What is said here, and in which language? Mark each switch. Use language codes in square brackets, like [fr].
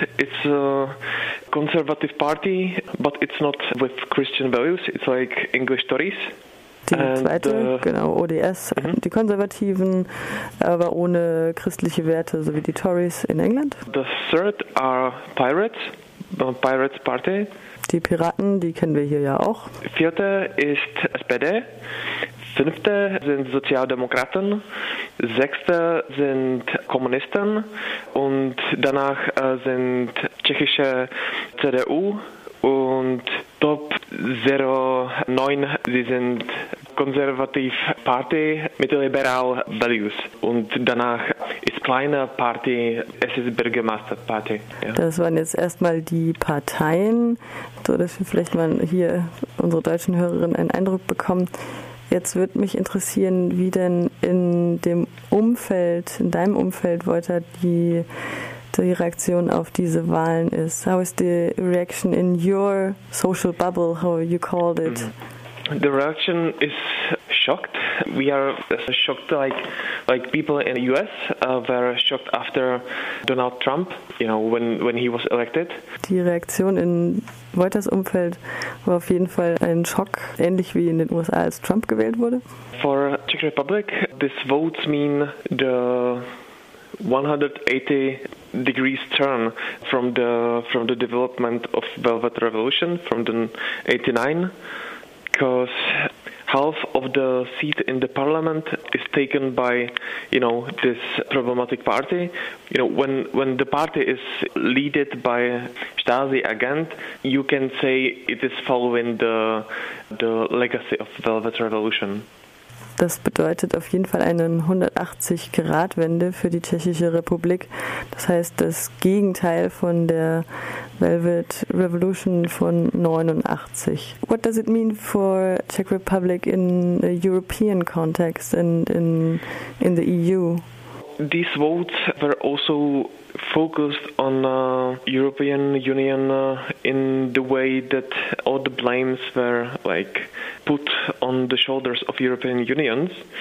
[en] It's a conservative party, but it's not with Christian values. It's like English Tories. [de] Die zweite, genau, ODS, die Konservativen, aber ohne christliche Werte, so wie die Tories in England. [en] The third are Pirates, Pirates Party. [de] Die Piraten, die kennen wir hier ja auch. Vierte ist SPD, fünfte sind Sozialdemokraten, sechste sind Kommunisten und danach sind tschechische CDU und Top 09, sie sind Konservativ Party mit liberal Values. Und danach ist kleine Party, es ist Bürgermeister Party. Ja. Das waren jetzt erstmal die Parteien, sodass wir vielleicht mal hier unsere deutschen Hörerinnen einen Eindruck bekommen. Jetzt würde mich interessieren, wie denn in dem Umfeld, in deinem Umfeld, Wojta, die Reaktion auf diese Wahlen ist. [en] How is the reaction in your social bubble, how you called it? The reaction is shocked. We are shocked like people in the US were shocked after Donald Trump, you know, when he was elected. [de] Die Reaktion in Wojtas Umfeld war auf jeden Fall ein Schock, ähnlich wie in den USA, als Trump gewählt wurde. [en] For Czech Republic, these votes mean the 180 degrees turn from the development of Velvet Revolution from the 89. Because half of the seat in the parliament is taken by, you know, this problematic party. You know, when the party is leaded by Stasi agent, you can say it is following the legacy of Velvet Revolution. [de] Das bedeutet auf jeden Fall eine 180-Grad-Wende für die Tschechische Republik. Das heißt, das Gegenteil von der Velvet Revolution von 89. [en] What does it mean for Czech Republic in a European context and in the EU? These votes were also focused on European Union in the way that all the blames were like put on the shoulders of European Unions.